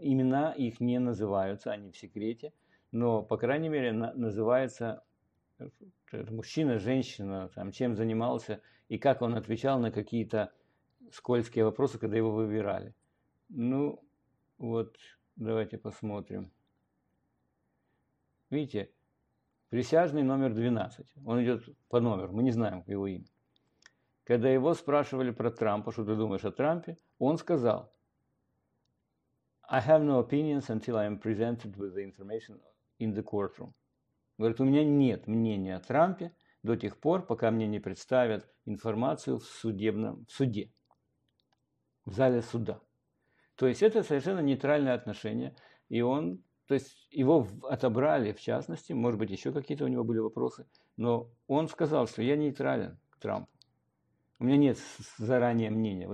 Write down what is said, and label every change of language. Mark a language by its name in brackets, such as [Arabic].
[Russian] Имена их не называются, они в секрете, но, по крайней мере, называется мужчина, женщина, там, чем занимался, и как он отвечал на какие-то скользкие вопросы, когда его выбирали. Ну, вот... Давайте посмотрим. Видите, присяжный номер 12. Он идет по номеру, мы не знаем его имя. Когда его спрашивали про Трампа, что ты думаешь о Трампе, он сказал, [English] I have no opinions until I am presented with the information in the courtroom. [Russian] Говорит, у меня нет мнения о Трампе до тех пор, пока мне не представят информацию в судебном, в суде, в зале суда. То есть это совершенно нейтральное отношение, и он, то есть его отобрали в частности, может быть, еще какие-то у него были вопросы, но он сказал, что я нейтрален к Трампу, у меня нет заранее мнения.